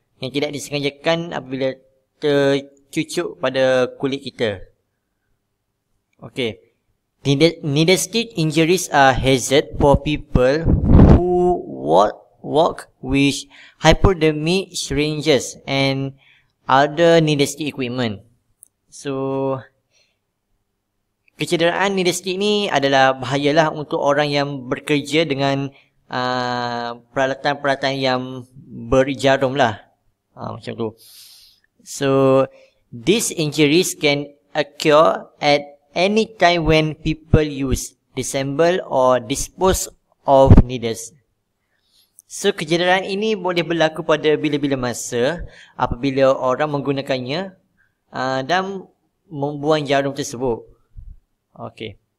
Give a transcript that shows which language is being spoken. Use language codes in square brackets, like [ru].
[ms] Yang tidak disengajakan apabila tercucuk pada kulit kita. Okay. [en] Needle stick injuries are hazard for people who walk with hypodermic syringes and other needle stick equipment. [ms] So, kecederaan needle stick ni adalah bahayalah untuk orang yang bekerja dengan peralatan-peralatan yang berjarum lah. Macam tu. [en] So, these injuries can occur at any time when people use, disassemble or dispose of needles. [ms] So, kecederaan ini boleh berlaku pada bila-bila masa apabila orang menggunakannya dan membuang jarum tersebut. Okay.